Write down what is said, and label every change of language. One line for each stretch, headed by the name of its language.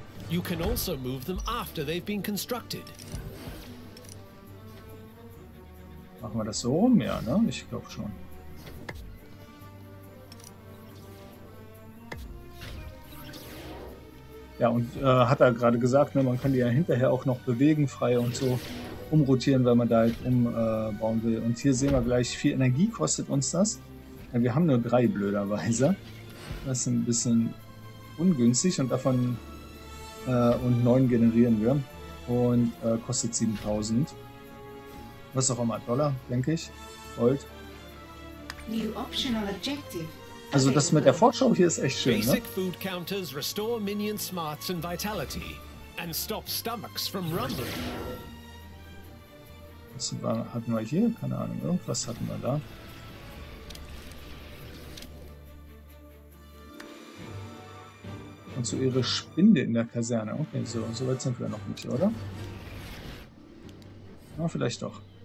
English: You can also move them after they've been constructed.
German: Machen wir das so rum, ja, ne? Ich glaube schon. Ja, und hat er gerade gesagt, ne, man kann die ja hinterher auch noch bewegen, frei und so umrotieren, wenn man da halt umbauen will. Und hier sehen wir gleich, viel Energie kostet uns das. Ja, wir haben nur drei, blöderweise. Das ist ein bisschen ungünstig und davon... und 9 generieren wir und kostet 7000. Was auch immer, Dollar, denke ich. Gold.
English: New optional objective.
German: Also das mit der Vorschau hier ist echt schön, ne?
English: Basic food counters restore minion smarts and vitality and stop stomachs from rumbling.
German: Was hatten wir hier? Keine Ahnung, irgendwas hatten wir da. Und so ihre Spinde in der Kaserne. Okay, so, so weit sind wir noch nicht, oder? Ja, vielleicht doch.